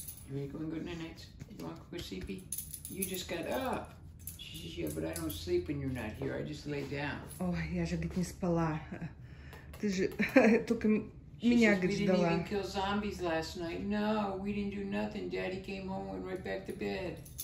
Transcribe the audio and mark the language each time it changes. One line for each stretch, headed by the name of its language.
English: You ain't going good night. You want to go sleepy? You just got up. She says, yeah, but I don't sleep when you're not here. I just lay down.
Russian: Я же говорит, не спала. Ты же только меня говорит, ждала.
English: We didn't even kill zombies last night. No, we didn't do nothing. Daddy came home and went right back to bed.